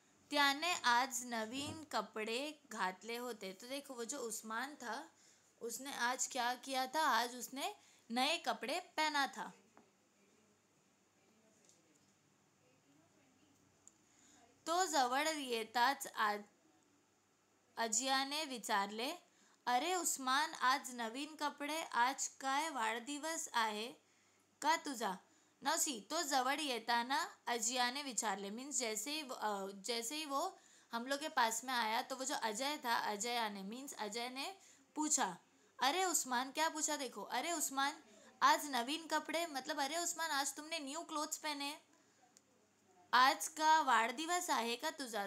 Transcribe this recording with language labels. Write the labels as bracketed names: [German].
[Marathi] त्याने आज नवीन कपड़े घातले होते। [Hindi] तो देखो वो जो उस्मान था उसने आज क्या किया था, आज उसने नए कपड़े पहना था। [Marathi] तो जवळ येताच अजियाने विचारले, अरे उस्मान आज नवीन कपड़े, आज काय वाढदिवस आहे का तुझा? नसी। तो जवळ येताना अजियाने विचारले, [Hindi] मीन्स जैसे ही वो हम लोग के पास में आया, तो वो जो अजय था, अजय ने पूछा, अरे उस्मान क्या पूछा? देखो, [Marathi] अरे उस्मान आज नवीन कपड़े, [Hindi] मतलब अरे उस्मान आज तुमने न्यू क्लोथ्स पहने, [Marathi] आज का वाढदिवस आहे का तुझा?